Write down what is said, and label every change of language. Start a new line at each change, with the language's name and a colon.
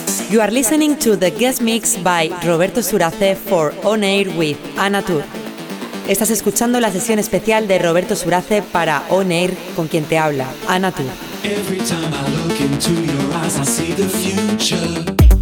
English: You are listening to the guest mix by Roberto Surace for On Air with Anatur.
Spanish: Estás escuchando la sesión especial de Roberto Surace para On Air con quien te habla, Anatur.
English: Every time I look into your eyes, I see the future. Mind dimension.